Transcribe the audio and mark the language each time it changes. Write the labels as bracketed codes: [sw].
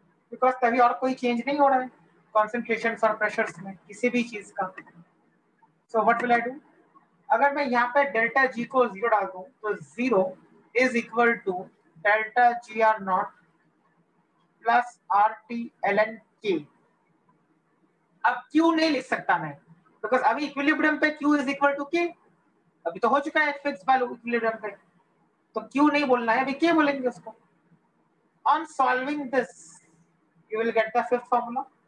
[hi] Because तभी और कोई change नहीं हो रहा है concentrations और pressures में किसी भी चीज का. [en] So what will I do? [hi] अगर मैं यहाँ पे delta G को zero डाल दूँ तो zero is equal to delta GR naught plus RT ln K. अब Q नहीं लिख सकता मैं, because अभी equilibrium पे Q is equal to K. अभी तो हो चुका है fixed value equilibrium पे, तो Q नहीं बोलना है, अभी K बोलेंगे उसको. [en] On solving this, you will get the fifth formula.